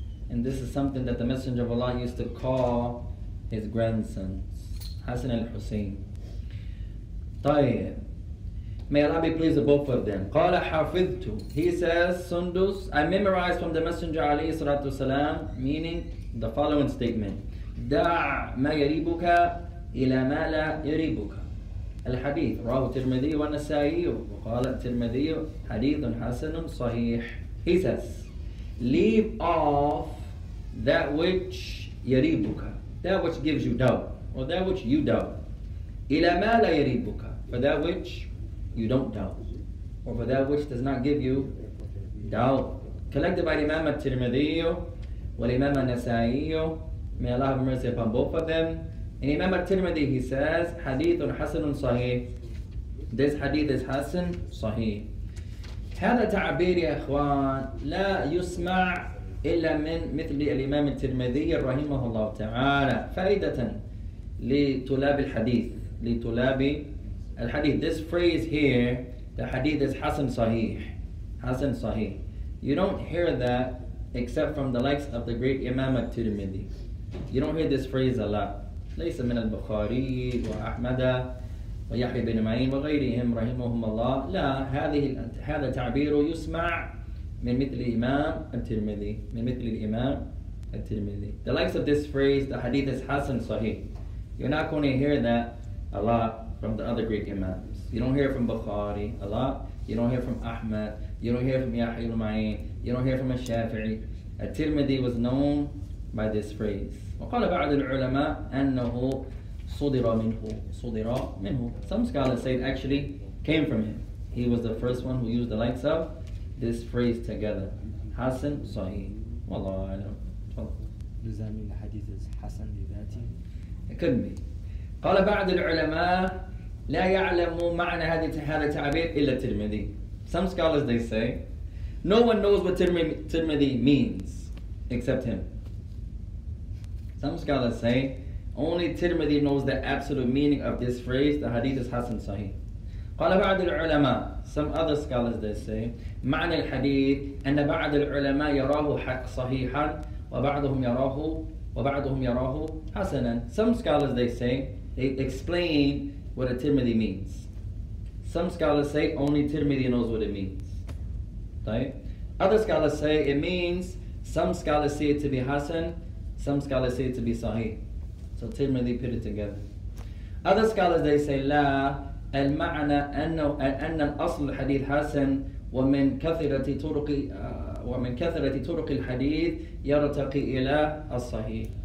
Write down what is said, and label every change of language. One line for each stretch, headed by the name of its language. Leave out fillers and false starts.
English: And this is something that the Messenger of Allah used to call his grandsons, Hassan al-Hussein.
Arabic: طيب.
English: May Allah be pleased with both of them.
Arabic: قَالَ حَفِظْتُ
English: He says, Sundus, I memorized from the Messenger alayhi salatu salam, meaning the following statement.
Arabic: دَعْ مَا يَرِيبُكَ إِلَى مَا لَا يَرِيبُكَ الحديث رواه الترمذي والنسائي وقال الترمذي حديث حسن صحيح.
English: He says, leave off that which يَرِيبُكَ that which gives you doubt, or that which you doubt.
Arabic: إِلَى مَا لَا يَرِيبُكَ
English: for that which you don't doubt, or for that which does not give you doubt. Collected by Imam al-Tirmidhi wal Imam al-Nasa'i, may Allah have mercy upon both of them. In Imam al-Tirmidhi, he says, Hadithun Hasanun Sahih. This hadith is Hasan Sahih.
Arabic: هذا تعبير يا إخوان لا يسمع إلا من مثل الإمام الترمذي رحمه الله تعالى فائدة لطلاب الحديث لطلاب الحديث.
English: This phrase here, the hadith is Hasan Sahih. Hasan Sahih. You don't hear that except from the likes of the great Imam al-Tirmidhi. You don't hear this phrase a lot.
Arabic: ليس من البخاري وأحمد ويحيى بن معين وغيرهم رحمهم الله لا هذه هذا تعبير يسمع من مثل الإمام الترمذي من مثل الإمام الترمذي.
English: The likes of this phrase, the hadith is Hasan Sahih. You're not going to hear that a lot from the other great imams. You don't hear from Bukhari a lot. You don't hear from Ahmad. You don't hear from Yahya ibn Ma'in. You don't hear from al-Shafi'i. Al-Tirmidhi was known by this phrase.
Arabic: وقال بعض العلماء أنه صدر منه صدر منه.
English: Some scholars say it actually came from him. He was the first one who used the likes of this phrase together. Hasan Sahih. Wallahu a'lam. Does that mean the hadith is Hasan Bibati? It could be.
Arabic: قال بعض العلماء لا يعلم معنى هذا التعبير إلا الترمذي.
English: Some scholars they say, no one knows what Tirmidhi means except him. Some scholars say, only Tirmidhi knows the absolute meaning of this phrase, the hadith is Hasan Sahih.
Arabic: قال بعض العلماء,
English: some other scholars they say,
Arabic: معنى الحديث أن بعض العلماء يراه حق صحيحا وبعضهم يراه حسنا.
English: Some scholars they say, they explain what a Tirmidhi means. Some scholars say only Tirmidhi knows what it means. Right? Other scholars say it means, some scholars see it to be Hasan, some scholars see it to be Sahih. So Tirmidhi put it together. Other scholars they say,
Arabic: لا المعنى أن الأصل الحديث حسن ومن كثرة طرق الحديث يرتقي إلى الصحيح.